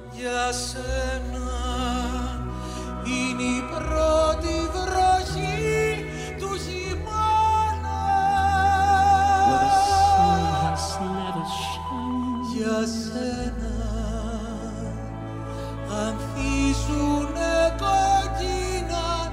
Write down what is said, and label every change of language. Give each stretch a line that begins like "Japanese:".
Greek: Για σένα είναι η πρώτη βροχή του χειμώνα.
English: Where the sun has never shined.
Greek: Για σένα ανθίζουνε κόκκινα.